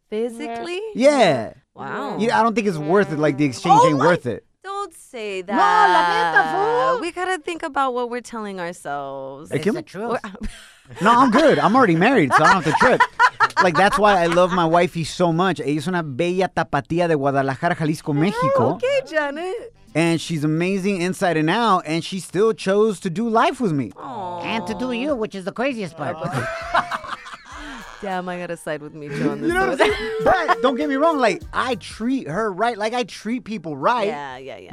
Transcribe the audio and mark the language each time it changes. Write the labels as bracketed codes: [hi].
[en] Physically? Yeah. Wow. Yeah, I don't think it's worth it. Like, the exchange ain't worth it. Don't say that. [es] No, la neta, [en] fool. We gotta think about what we're telling ourselves. It's the truth. No, I'm good. I'm already married, so I don't have to trip. Like, that's why I love my wifey so much. [es] Ella es una bella tapatía de Guadalajara, Jalisco, México. [en] Oh, okay, Janet. And she's amazing inside and out, and she still chose to do life with me. Aww. And to do you, which is the craziest part. Damn, I gotta side with Micho on this. You know what I'm saying? But don't get me wrong. Like, I treat her right. Like, I treat people right. Yeah.